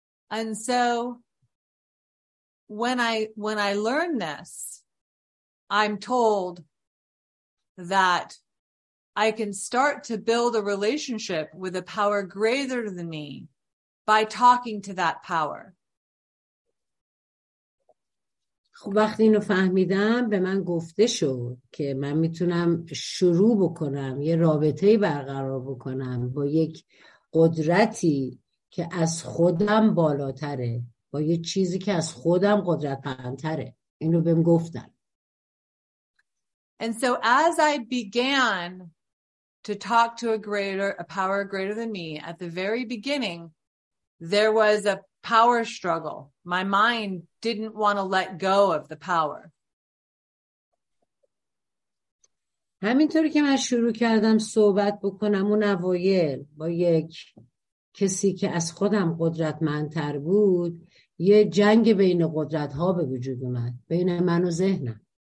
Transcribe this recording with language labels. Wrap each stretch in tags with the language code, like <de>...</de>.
<en>And so when I learn this, I'm told that I can start to build a relationship with a power greater than me by talking to that power.</en> <fa>خب وقتی اینو فهمیدم به من گفته شد که من میتونم شروع بکنم یه رابطه برقرار بکنم با یک قدرتی که از خودم بالاتره، با یه چیزی که از خودم قدرتمندتره. اینو بهم گفتن.</fa> <en>And so as I began to talk to a power greater than me, at the very beginning, there was a power struggle. My mind didn't want to let go of the power.</en> <fa>همینطوری که من شروع کردم صحبت بکنم اون اوایل با یک کسی که از خودم قدرتمندتر بود، یه جنگ بین قدرت ها به وجود اومد، بین من و ذهنم.</fa>